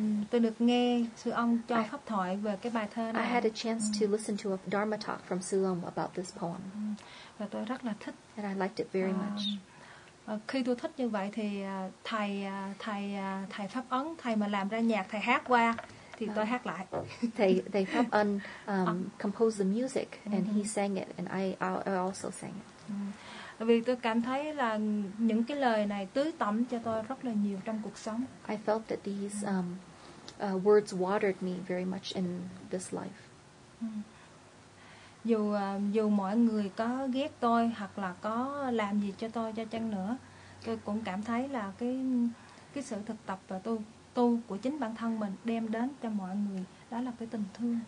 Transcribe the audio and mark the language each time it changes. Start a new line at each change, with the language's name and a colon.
Vietnamese: Tôi được nghe sư ông cho pháp thoại về cái bài thơ này.
English: I had a chance to listen to a Dharma talk from sư ông about this poem.
Vietnamese: Và tôi rất là thích.
English: And I liked it very much.
Vietnamese: Khi tôi thích như vậy thì thầy pháp ấn, thầy mà làm ra nhạc, thầy hát qua thì tôi hát lại.
English: they pháp ấn composed the music and he sang it and I also sang it.
Vietnamese: Vì tôi cảm thấy là những cái lời này tưới tẩm cho tôi rất là nhiều trong cuộc sống.
English: I felt that these words watered me very much in this life.
Vietnamese: Dù mọi người có ghét tôi hoặc là có làm gì cho tôi cho chăng nữa, tôi cũng cảm thấy là cái sự thực tập và tu của chính bản thân mình đem đến cho mọi người đó là cái tình thương.